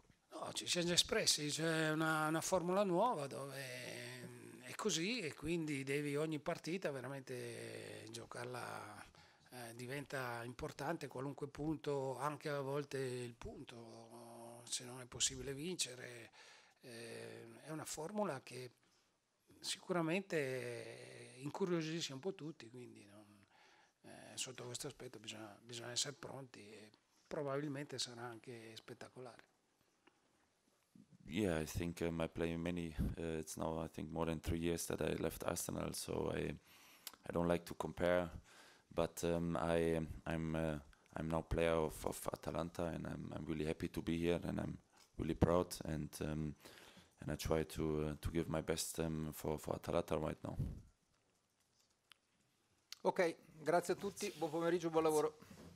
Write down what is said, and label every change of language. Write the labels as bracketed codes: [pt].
[it] No, ci siamo già espressi, c'è una formula nuova dove è così, e quindi devi ogni partita veramente giocarla, diventa importante qualunque punto, anche a volte il punto, se non è possibile vincere. È una formula che sicuramente incuriosisce un po' tutti, quindi non, sotto questo aspetto bisogna essere pronti, e probabilmente sarà anche spettacolare. [en] Yeah, I think I play many. It's now I think more than 3 years that I left Arsenal, so I don't like to compare, but I'm now player of Atalanta, and I'm really happy to be here, and I'm really proud, and I try to give my best for Atalanta right now. [it] Ok, grazie a tutti, buon pomeriggio, buon lavoro. Grazie.